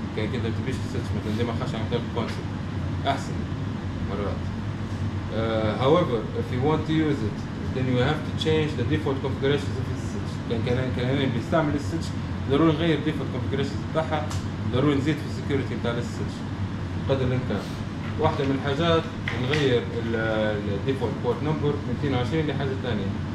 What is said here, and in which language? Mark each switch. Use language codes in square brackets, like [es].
[ar] كان كده تبيش switch مثلاً زي ما خش عن طريق console. أحسن مرات. [en] However, if you want to use it, then you have to change the default configurations of the switch. [ar] كان أنا بستعمل switch. ضروري نغير default configurations بتاعها. ضروري نزيد في security بتاع switch. قدر الإمكان. واحدة من الحاجات نغير ال default port number من 220 لحاجة ثانية.